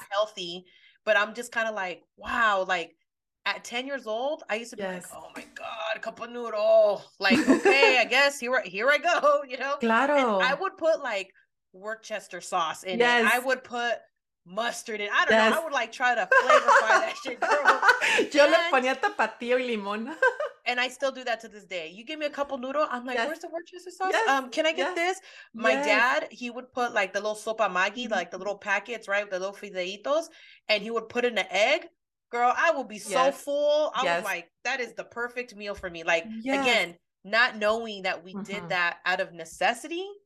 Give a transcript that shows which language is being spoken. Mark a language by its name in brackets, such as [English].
[English] not healthy, but I'm just kind of like, wow. Like at 10 years old, I used to be like, Yes. oh my God, cup of noodle. Like, okay, I guess here I go, you know? And I [Spanish] Claro. [English] would put like Worcester sauce in it. I would put mustard it. I don't know. I would like try to flavorify that shit, girl. [Spanish] Yo le ponía tapatío y limón. [English] And I still do that to this day. You give me a cup of noodle, I'm like, where's the Worcestershire sauce? Yes. Can I get this? My dad, he would put like the little sopa maggi, like the little packets, right? The little fideitos. And he would put in an egg. Girl, I would be so full. I was like, that is the perfect meal for me. Like, again, not knowing that we did that out of necessity.